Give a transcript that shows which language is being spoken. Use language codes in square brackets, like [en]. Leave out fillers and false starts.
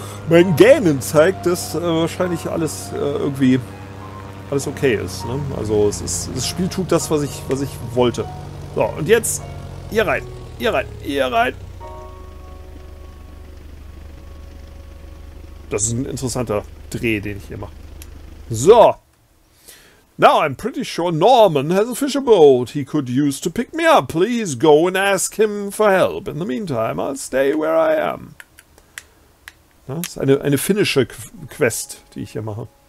[de] Mein Gähnen zeigt, dass wahrscheinlich alles irgendwie alles okay ist. Ne? Also es ist, das Spiel tut das, was ich wollte. So, und jetzt hier rein, hier rein, hier rein. Das ist ein interessanter Dreh, den ich hier mache. So. [en] Now I'm pretty sure Norman has a fisher boat he could use to pick me up. Please go and ask him for help. In the meantime, I'll stay where I am. [de] Das ist eine finnische Quest, die ich hier mache.